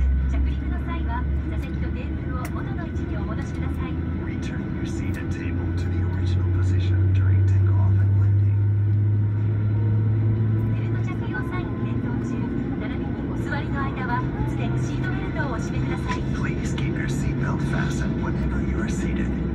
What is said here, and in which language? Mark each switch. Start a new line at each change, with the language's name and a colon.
Japanese: 着陸の際は座席とテーブルを元の位置にお戻しください。
English: Return your seat and table to the original position during takeoff and landing.
Japanese: ベルト着用サイン点灯中、並びにお座りの間は既にシートベルトをお締めください。
English: Please keep your seatbelt fastened whenever you are seated.